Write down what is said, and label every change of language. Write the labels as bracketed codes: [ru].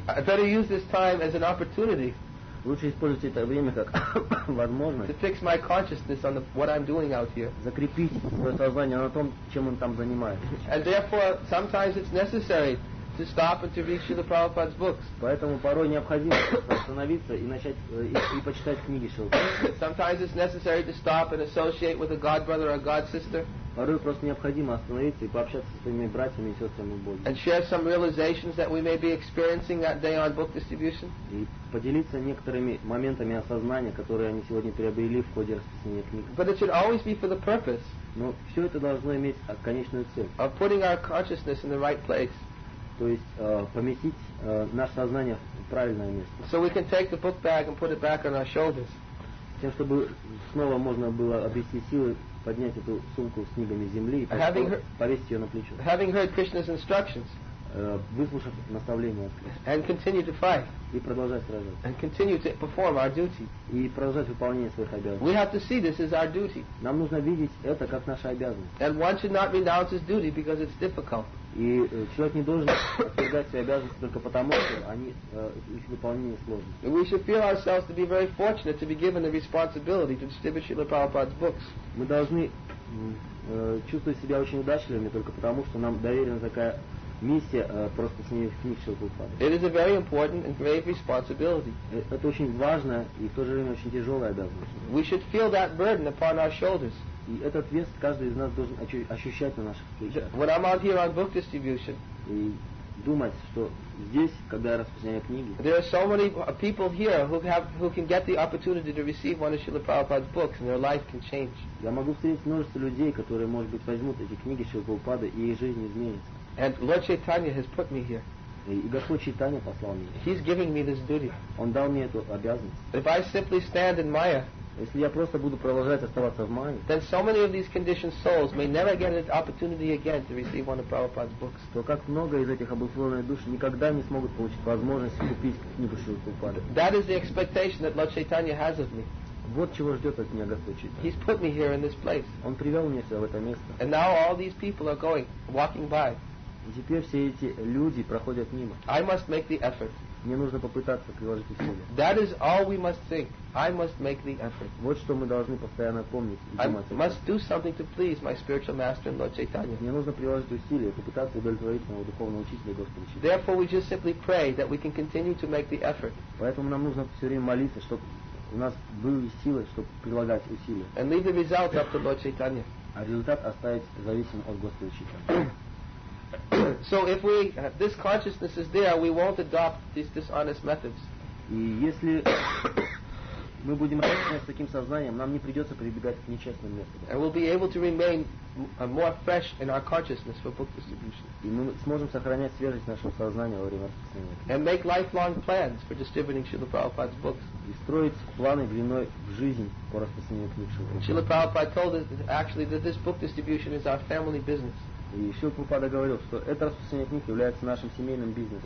[en] I better use this time as an opportunity. [ru] Лучше использовать это время как возможность [en] to fix my consciousness on what I'm doing out here. [ru] Закрепить свое сознание на том, чем он там занимается. [en] And therefore, sometimes it's necessary to stop and to read Srila Prabhupada's books. [ru] Поэтому порой необходимо остановиться и начать и почитать книги Шрилы Прабхупады. [en] Sometimes it's necessary to stop and associate with a god brother or a god sister. [ru] Порой просто необходимо остановиться и пообщаться со своими братьями и сестрами Бога. [en] And share some realizations that we may be experiencing that day on book distribution. [ru] И поделиться некоторыми моментами осознания, которые они сегодня приобрели в ходе распространения книг. [en] But it should always be for the purpose. [ru] Но все это должно иметь конечную цель. [en] Of putting our consciousness in the right place. [ru] То есть поместить наше сознание в правильное место. [en] So we can take the book bag and put it back on our shoulders. [ru] Тем, чтобы снова можно было обрести силы поднять эту сумку с книгами земли и повесить ее на плечо. [en] Having heard Krishna's instructions. [ru] Выслушав наставления от Кришны. [en] And continue to fight. [ru] И продолжать сражаться. [en] And continue to perform our duty. [ru] И продолжать выполнение своих обязанностей. [en] We have to see this as our duty. [ru] Нам нужно видеть это как наша обязанность. [en] And one should not renounce his duty because it's difficult. [ru] И человек не должен отвергать свои обязанности только потому, что они их выполнение сложно. [en] We should feel ourselves to be very fortunate to be given the responsibility to distribute Srila Prabhupada's books. [ru] Мы должны чувствовать себя очень удачливыми только потому, что нам доверена такая миссия просто с ней в книг Шрилы Прабхупады. [en] It is a very important and grave responsibility. [ru] Это очень важная и в то же время очень тяжелая обязанность. [en] We should feel that burden upon our shoulders. [ru] И этот вес каждый из нас должен ощущать на наших плечах. [en] When I'm out here on book distribution, [ru] и думать, что здесь, когда я распространяю книги, [en] there are so many people here who can get the opportunity to receive one of Srila Prabhupada's books, and their life can change. [ru] Я могу встретить множество людей, которые, может быть, возьмут эти книги Шрилы Прабхупады, и их жизнь изменится. [en] And Lord Chaitanya has put me here. [ru] И Господь Чайтанья послал меня. [en] He's giving me this duty. [ru] Он дал мне эту обязанность. [en] If I simply stand in Maya. [ru] Если я просто буду продолжать оставаться в мае, [en] then so many of these conditioned souls may never get an opportunity again to receive one of Prabhupada's books. [ru] То как много из этих обусловленных душ никогда не смогут получить возможность купить книгу Шрилы Прабхупады. [en] That is the expectation that Lord Chaitanya has of me. [ru] Вот чего ждет от меня Господь Чайтанья. [en] He's put me here in this place. [ru] Он привел меня сюда, в это место. [en] And now all these people are going, walking by. [ru] И теперь все эти люди проходят мимо. [en] I must make the effort. [ru] Мне нужно попытаться приложить усилия. [en] That is all we must think. I must make the effort. [ru] Вот что мы должны постоянно помнить и думать. [en] I must do something to please my spiritual master and Lord Chaitanya. [ru] Мне нужно приложить усилия, попытаться удовлетворить моего духовного учителя Господа Чайтанью. [en] Therefore, we just simply pray that we can continue to make the effort. [ru] Поэтому нам нужно все время молиться, чтобы у нас были силы, чтобы прилагать усилия. [en] And leave the results up to Lord Chaitanya. [ru] а результат оставить зависим от Господа Читания. [en] So if we this consciousness is there, we won't adopt these dishonest methods. [ru] И если мы будем работать с таким сознанием, нам не придется прибегать к нечестным методам. [en] And we'll be able to remain more fresh in our consciousness for book distribution. [ru] И мы сможем сохранять свежесть нашего сознания во время распространения. [en] And make lifelong plans for distributing Srila Prabhupada's books. [ru] И строить планы длиной в жизнь по распространению книг Шрилы Прабхупады. [en] Srila Prabhupada told us actually that this book distribution is our family business. [ru] И Шрила Прабхупада говорил, что это распространение книг является нашим семейным бизнесом.